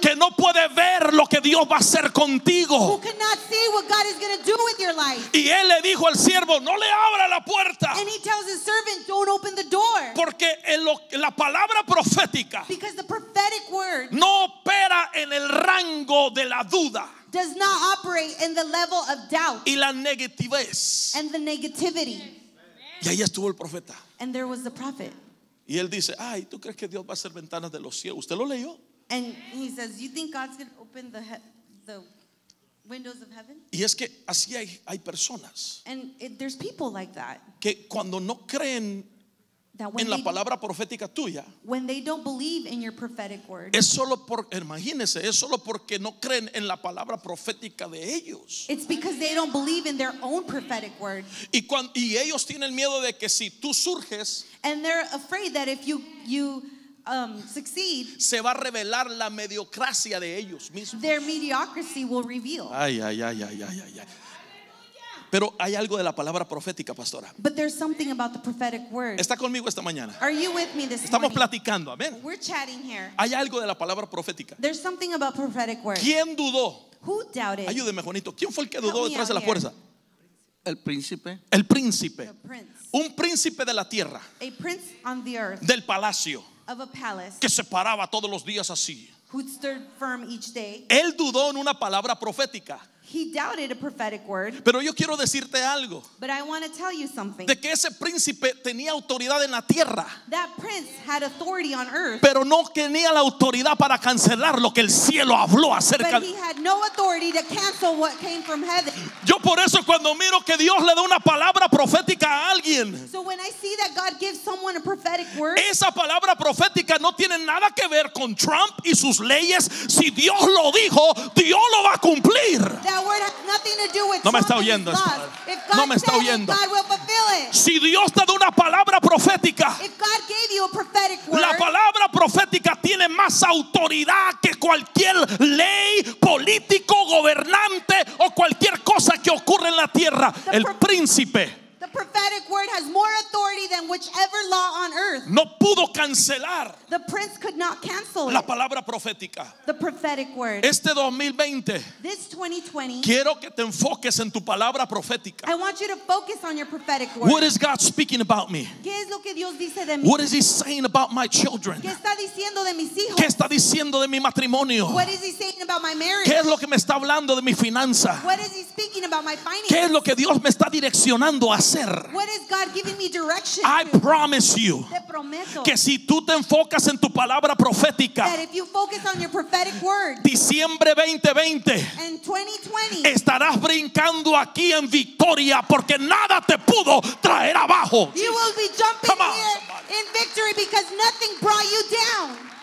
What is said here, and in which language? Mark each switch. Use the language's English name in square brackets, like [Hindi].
[Spanish] que no puede ver lo que Dios va a hacer contigo. [English] Who cannot see what God is going to do with your life. [Spanish] Y él le dijo al siervo, no le abra la puerta. [English] And he tells the servant, don't open the door. [Spanish] Porque la palabra profética, [English] because the prophetic word, [Spanish] no opera en el rango de la duda, [English] does not operate in the level of doubt, [Spanish] y la negativez, [English] and the negativity. [Spanish] Y ahí estuvo el profeta, [English] and there was the prophet. [Spanish] Y él dice, ay, ¿tú crees que Dios va a hacer ventanas de los cielos? ¿Usted lo leyó? [English] And he says, you think God's going to open the windows of heaven? [Spanish] Y es que así hay personas. [English] And there's people like that. [Spanish] Que cuando no creen en la palabra profética tuya, [English] when they don't believe in your prophetic word, [Spanish] es solo por, imagínese, es solo porque no creen en la palabra profética de ellos. [English] It's because they don't believe in their own prophetic word. [Spanish] Y cuando, y ellos tienen miedo de que si tú surges, [English] and they're afraid that if you succeed, [Spanish] se va a revelar la mediocracia de ellos mismos. [English] Their mediocrity will reveal. Ay, ay, ay, ay, ay, ay, ay. [Spanish] Pero hay algo de la palabra profética, pastora. [English] But there's something about the prophetic word. [Spanish] Está conmigo esta mañana. [English] Are you with me this [Spanish] Estamos [English] morning? [Spanish] Platicando, amén. [English] We're chatting here. [Spanish] Hay algo de la palabra profética. [English] There's something about prophetic word. [Spanish] ¿Quién dudó? [English] Who doubted? [Spanish] Ayúdeme, Juanito. ¿Quién fue el que dudó detrás de la fuerza? El príncipe. El príncipe. [English] The prince. [Spanish] Un príncipe de la tierra. [English] A prince on the earth. [Spanish] Del palacio. [English] Of a palace. [Spanish] Que se paraba todos los días así. [English] Who stood firm each day. [Spanish] Él dudó en una palabra profética. [English] He doubted a prophetic word. [Spanish] Pero yo quiero decirte algo. [English] But I want to tell you something. [Spanish] De que ese príncipe tenía autoridad en la tierra. [English] That prince had authority on earth. [Spanish] Pero no tenía la autoridad para cancelar lo que el cielo habló acerca. [English] But he had no authority to cancel what came from heaven. [Spanish] Yo por eso cuando miro que Dios le da una palabra profética a alguien. [English] So when I see that God gives someone a prophetic word. [Spanish] Esa palabra profética no tiene nada que ver con Trump y sus leyes. Si Dios lo dijo, Dios lo va a cumplir. [English] That word has nothing to do with [Spanish] no me está oyendo. No me está oyendo. Si Dios te da una palabra profética, [English] if God gave you a prophetic word, [Spanish] la palabra profética tiene más autoridad que cualquier ley, político, gobernante o cualquier cosa que ocurre en la tierra. El príncipe. [English] The prophetic word has more authority than whichever law on earth. [Spanish] No pudo cancelar. [English] The prince could not cancel [Spanish] la palabra profética. [English] The prophetic word. [Spanish] Este 2020. [English] This 2020. [Spanish] Quiero que te enfoques en tu palabra profética. [English] I want you to focus on your prophetic word. What is God speaking about me? [Spanish] ¿Qué es lo que Dios dice de mí? [English] What is he saying about my children? [Spanish] ¿Qué está diciendo de mis hijos? ¿Qué está diciendo de mi matrimonio? [English] What is he saying about my marriage? [Spanish] ¿Qué es lo que me está hablando de mi finanza? [English] What is he speaking about my finances? [Spanish] ¿Qué es lo que Dios me está direccionando a [English] What is God giving me direction? I promise you [Spanish] que si tú te enfocas en tu palabra profética, [English] that if you focus on your prophetic word, [Spanish] diciembre 2020, [English] and 2020, [Spanish] estarás brincando aquí en victoria porque nada te pudo traer abajo. [English] You will be jumping here in victory because nothing brought you down.